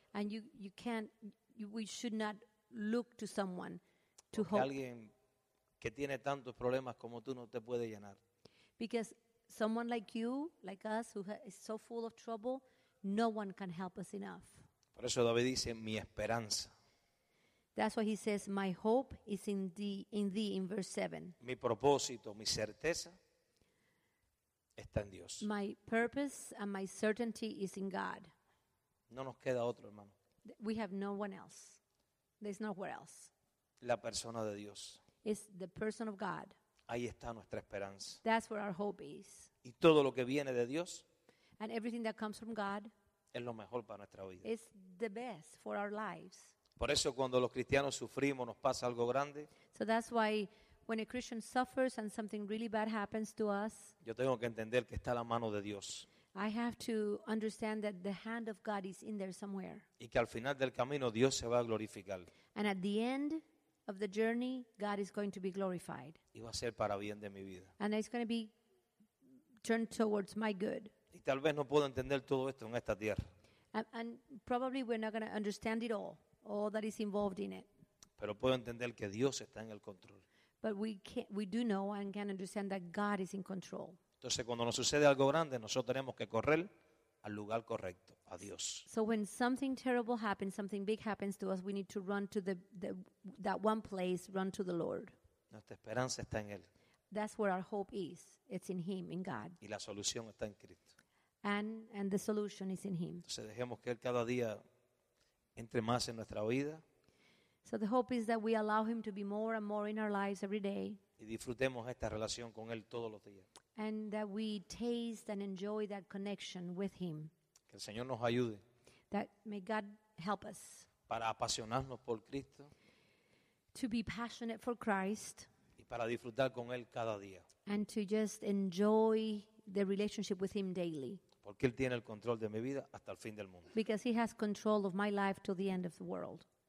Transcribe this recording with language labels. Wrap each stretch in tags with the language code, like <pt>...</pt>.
<en>And we should not look to someone to hope.</en> <es>Porque alguien que tiene tantos problemas como tú no te puede llenar.</es> <en>Because someone like you, like us, who is so full of trouble, no one can help us enough.</en> <es>Por eso David dice, mi esperanza.</es> <en>That's why he says, my hope is in thee, in verse 7.</en> <es>Mi propósito, mi certeza. Está en Dios.</es> <en>My purpose and my certainty is in God.</en> <es>No nos queda otro, hermano.</es> <en>We have no one else. There's nowhere else.</en> <es>La persona de Dios.</es> <en>It's the person of God.</en> <es>Ahí está nuestra esperanza.</es> <en>That's where our hope is.</en> <es>Y todo lo que viene de Dios.</es> <en>And everything that comes from God.</en> <es>Es lo mejor para nuestra vida.</es> <en>It's the best for our lives.</en> <es>Por eso cuando los cristianos sufrimos nos pasa algo grande.</es> <en>So that's why when a Christian suffers and something really bad happens to us,</en> <es>yo tengo que entender que está la mano de Dios.</es> <en>I have to understand that the hand of God is in there somewhere.</en> <es>Y que al final del camino Dios se va a glorificar.</es> <en>And at the end of the journey, God is going to be glorified.</en> <es>Y va a ser para bien de mi vida.</es> <en>And it's going to be turned towards my good.</en> <es>Y tal vez no puedo entender todo esto en esta tierra.</es> <en>And probably we're not going to understand it all that is involved in it.</en> <es>Pero puedo entender que Dios está en el control.</es> <en>But we do know and can understand that God is in control.</en> <es>Entonces, cuando nos sucede algo grande, nosotros tenemos que correr al lugar correcto, a Dios.</es> <en>So when something terrible happens, something big happens to us, we need to run to that one place, run to the Lord.</en> <es>Nuestra esperanza está en Él.</es> <en>That's where our hope is. It's in Him, in God.</en> <es>Y la solución está en Cristo.</es> <en>And the solution is in Him.</en> <es>Entonces, dejemos que Él cada día entre más en nuestra vida.</es> <en>So the hope is that we allow Him to be more and more in our lives every day.</en> <es>Y disfrutemos esta relación con Él todos los días.</es> <en>And that we taste and enjoy that connection with Him.</en> <es>Que el Señor nos ayude.</es> <en>That may God help us.</en> <es>Para apasionarnos por Cristo.</es> <en>To be passionate for Christ.</en> <es>Y para disfrutar con Él cada día.</es> <en>And to just enjoy the relationship with Him daily.</en> <es>Porque Él tiene el control de mi vida hasta el fin del mundo.</es> <en>Because He has control of my life till the end of the world.</en>